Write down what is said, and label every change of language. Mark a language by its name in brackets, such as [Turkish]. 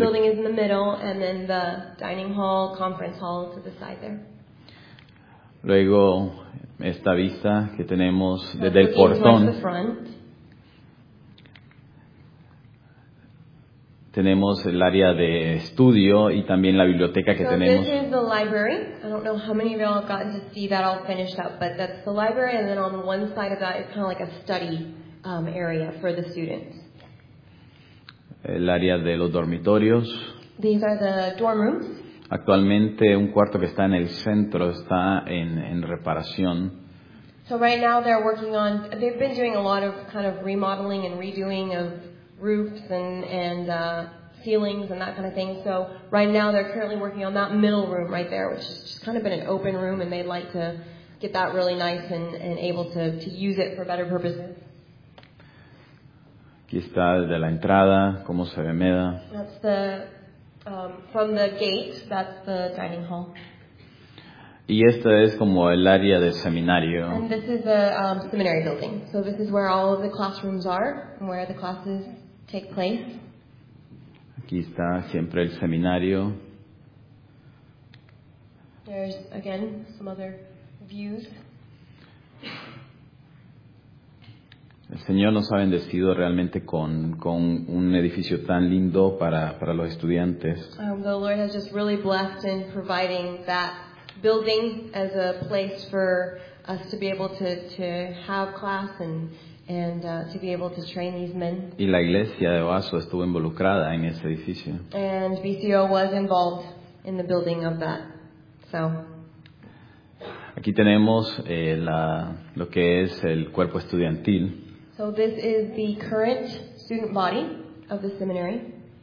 [English] Building is in the middle, and then the dining hall, conference hall to the side there. [Spanish] Luego esta vista que tenemos desde el portón. Tenemos el área de estudio y también la biblioteca que tenemos. [English] This is the library. I don't know how many of y'all have gotten to see that all finished up, but that's the library, and then on one side of that is kind of like a study area for the students. [Spanish] El área de los dormitorios. [English] These are the dorm rooms. [Spanish] Actualmente un cuarto que está en el centro está en reparación. [English] So right now they're working on, they've been doing a lot of kind of remodeling and redoing of roofs and ceilings and that kind of thing. So right now they're currently working on that middle room right there, which has just kind of been an open room, and they'd like to get that really nice and able to use it for better purposes. [Spanish] Aquí está desde la entrada, cómo se ve Meda. [English] That's the from the gate, that's the dining hall. [Spanish] Y esta es como el área del seminario. [English] And this is the seminary building. So this is where all of the classrooms are, where the classes take place. [Spanish] Aquí está siempre el seminario. [English] There's again some other views. [Spanish] El Señor nos ha bendecido realmente con un edificio tan lindo para los estudiantes. [English] The Lord has just really blessed in providing that building as a place for us to be able to have class and to be able to train these men. [Spanish] Y la iglesia de Oaso estuvo involucrada en ese edificio. [English] And BCO was involved in the building of that. So. [Spanish] Aquí tenemos lo que es el cuerpo estudiantil. [English] So this is the current student body of the seminary.